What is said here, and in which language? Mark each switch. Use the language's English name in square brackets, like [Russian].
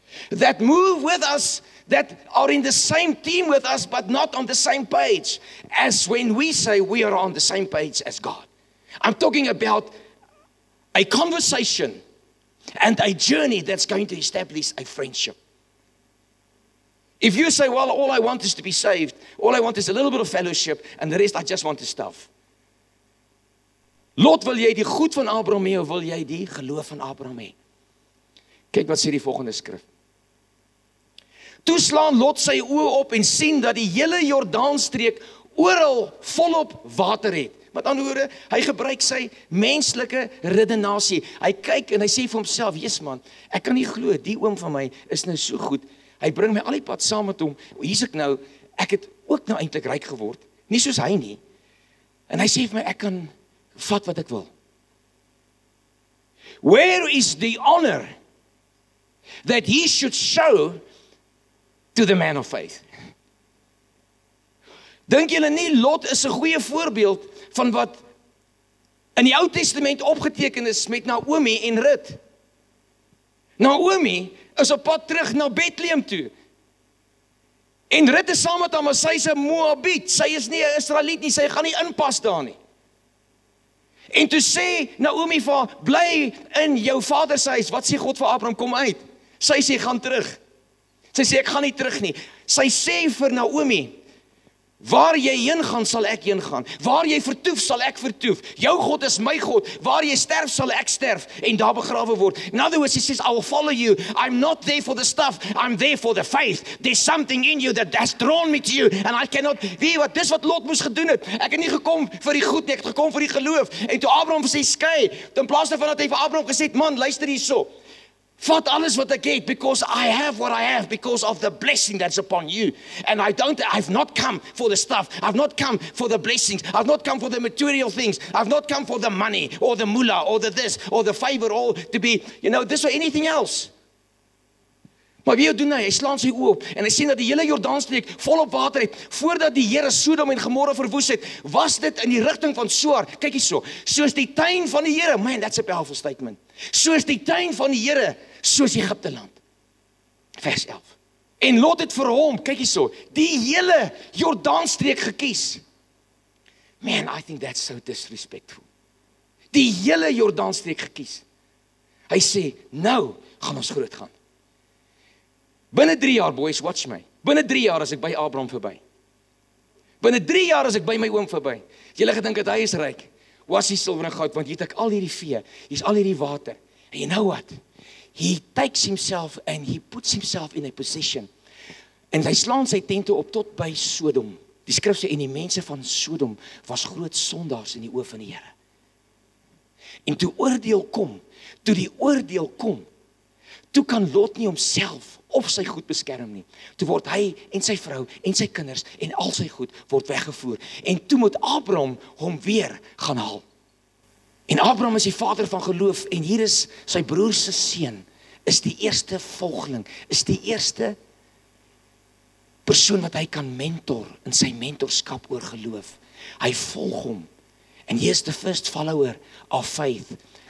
[English] That move with us, that are in the same team with us, but not on the same page, as when we say we are on the same page as God. I'm talking about a conversation and a journey that's going to establish a friendship. If you say, well, all I want is to be saved, all I want is a little bit of fellowship, and the rest I just want is stuff. [Afrikaans] Lot, wil jy die goed van Abraham hê, of wil jy die geloof van Abraham hê? Kyk wat sê die volgende skrif. Toe slaan Lot sy oë op en sien dat die hele Jordaanstreek oral volop water het. Met ander woorde, hy gebruik sy menslike redenasie. Hy kyk en hy sê vir homself, "Jesus man, ek kan nie glo, die oom van my is nou so goed. Hy bring my al die pad saam met hom. Hier's ek nou, ek het ook nou eintlik ryk geword, nie soos hy nie." En hy sê vir my, "Ek kan vat wat ek wil." [English] Where is the honor that he should show to the man of faith? [Afrikaans] Dink julle nie Lot is 'n goeie voorbeeld van wat in die Ou Testament opgeteken is met Naomi en Rut? Naomi is op pad terug na Bethlehem toe. En Rut is saam met hom, maar sy is 'n Moabiet. Sy is nie 'n Israeliet nie, sy gaan nie inpas daar nie. En toe sê Naomi vir haar, bly in jou vader se huis. Wat sê God vir Abraham, kom uit? Sy sê, gaan terug. Sy sê, ek gaan nie terug nie. Sy sê vir Naomi, Waar jy heen gaan, sal ek heen gaan. Waar jy vertoef, sal ek vertoef. Jou God is my God. Waar jy sterf, sal ek sterf. En daar begrawe word. [English] In other words, he says, I will follow you. I'm not there for the stuff. I'm there for the faith. There's something in you that has drawn me to you. And I cannot, [Afrikaans] weet wat, dis wat Lot moes gedoen het. Ek het nie gekom vir die goed, ek het gekom vir die geloof. En toe Abraham sê, skei, in plaas daarvan het hy vir Abraham gesê, man, luister hier so. Vat alles wat ek het, [English] because I have what I have, because of the blessing that's upon you. And I've not come for the stuff, I've not come for the blessings, I've not come for the material things, I've not come for the money, or the mullah, or the this, or the favor, or to be, you know, this or anything else. [Afrikaans] Maar wie doen hy? Hy slaan sy oop, en hy sien dat die hele Jordaanstreek vol op water het, voordat die Here Sodom en Gomorra verwoes het, was dit in die richting van Soar, kyk hier so, soos die tuin van die Here, man, [English] that's a powerful statement, [Afrikaans] soos die tuin van die Here, soos Egypte land. Vers 11, en Lot het vir hom, kyk hier so, die hele Jordaanstreek gekies. [English] Man, I think that's so disrespectful. [Afrikaans] Die hele Jordaanstreek gekies. Hy sê, nou gaan ons groot gaan. Binnen 3 jaar, boys, watch my. Binnen 3 jaar is ek by Abraham voorbij. Binnen 3 jaar is ek by my oom voorbij. Julle gedink dat hy is rijk. Was hy silver en goud, want hier het ek al hierdie vee, hier is al hierdie water. [English] And you know what? He takes himself and he puts himself in a position. [Afrikaans] En hy slaan sy tente op tot by Sodom. Die skrif sê, en die mense van Sodom was groot sondaars in die oog van die Here. En toe oordeel kom, toe die oordeel kom, toe kan Lot nie homself of sy goed beskerm nie. Toe word hy en sy vrou en sy kinders en al sy goed word weggevoer. En toe moet Abram hom weer gaan haal. En Abram is die vader van geloof en hier is sy broer se seun, is die eerste volgeling, is die eerste persoon wat hy kan mentor in sy mentorskap oor geloof. Hy volg hom. [English] And he is the first follower of faith.